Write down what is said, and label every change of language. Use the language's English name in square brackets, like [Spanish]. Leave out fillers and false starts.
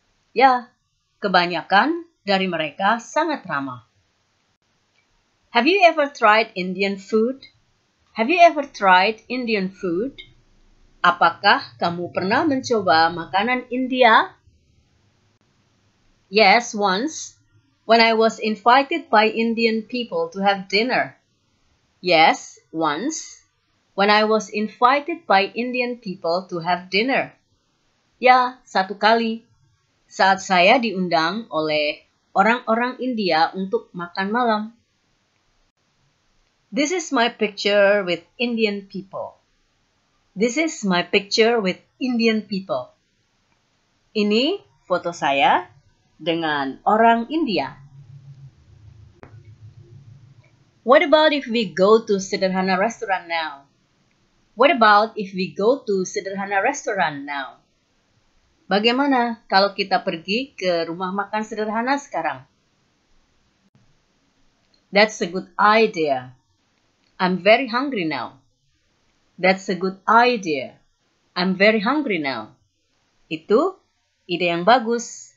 [Indonesian] Ya, kebanyakan dari mereka sangat ramah. [English] Have you ever tried Indian food? Have you ever tried Indian food? [Indonesian] Apakah kamu pernah mencoba makanan India? [English] Yes, once, when I was invited by Indian people to have dinner. Yes, once, when I was invited by Indian people to have dinner. [Indonesian] Ya, satu kali, saat saya diundang oleh orang-orang India untuk makan malam. [English] This is my picture with Indian people. This is my picture with Indian people. [Indonesian] Ini foto saya dengan orang India. [English] What about if we go to Sederhana Restaurant now? What about if we go to Sederhana Restaurant now? [Indonesian] Bagaimana kalau kita pergi ke rumah makan sederhana sekarang? [English] That's a good idea. I'm very hungry now. That's a good idea. I'm very hungry now. [Indonesian] Itu ide yang bagus.